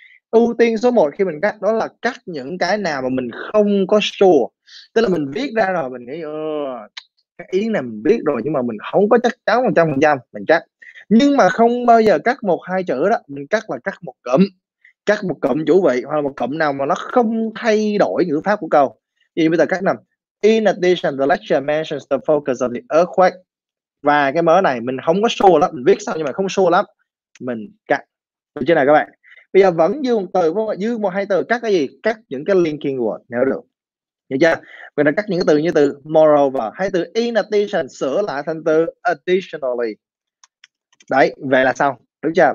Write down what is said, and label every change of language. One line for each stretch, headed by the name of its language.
Vietnamese: Ưu tiên số 1 khi mình cắt đó là cắt những cái nào mà mình không có sure. Tức là mình viết ra rồi mình nghĩ cái ý này mình biết rồi nhưng mà mình không có chắc chắn 100% mình cắt. Nhưng mà không bao giờ cắt một hai chữ đó, mình cắt là cắt một cụm. Cắt một cụm chủ vị hoặc là một cụm nào mà nó không thay đổi ngữ pháp của câu. Vậy bây giờ cắt nè.
English: In addition, the lecture mentions the focus of the earthquake.
Vietnamese: Và cái mớ này mình không có sure lắm, mình viết xong nhưng mà không sure lắm, mình cắt. Được chưa nào các bạn? Bây giờ vẫn dư một từ, dư một hai từ, cắt cái gì? Cắt những cái linking word, hiểu được. Hiểu chưa? Mình đã cắt những cái từ như từ moreover, hay từ in addition, sửa lại thành từ additionally. Đấy, vậy là xong. Đúng chưa?